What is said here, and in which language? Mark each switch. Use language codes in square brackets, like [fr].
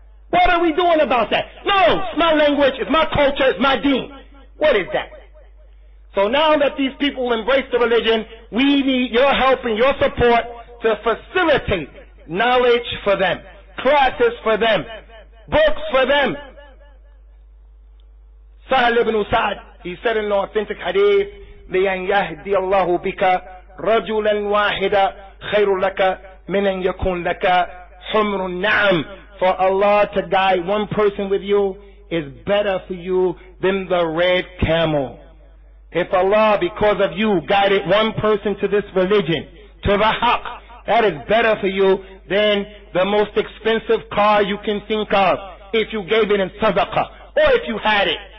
[en] What are we doing about that? No, it's my language, it's my culture, it's my deen. What is that? So now that these people embrace the religion, we need your help and your support to facilitate knowledge for them, classes for them, books for them. Sahal ibn Usad, he said in the authentic hadith, [ar] لِيَنْ يَهْدِيَ اللَّهُ بِكَ رَجُلًا وَاحِدًا خَيْرٌ لَكَ مِنْ أَنْ يَكُنْ لَكَ حُمْرٌ نَعَمٌ. [en] For Allah to guide one person with you is better for you than the red camel. If Allah, because of you, guided one person to this religion, to the haq, that is better for you than the most expensive car you can think of, if you gave it in sadaqah, or if you had it.